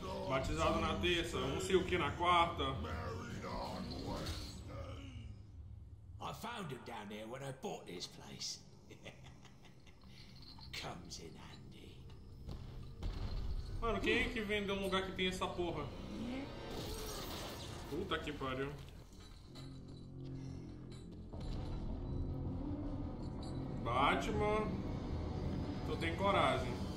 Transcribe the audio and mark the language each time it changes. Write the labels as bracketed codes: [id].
[pt] Batizado na terça, não sei o que na quarta. [en] I found him down there when I bought this place. Comes in handy. [pt] Mano, quem é que vem de um lugar que tem essa porra? Puta que pariu. Batman, tu tem coragem.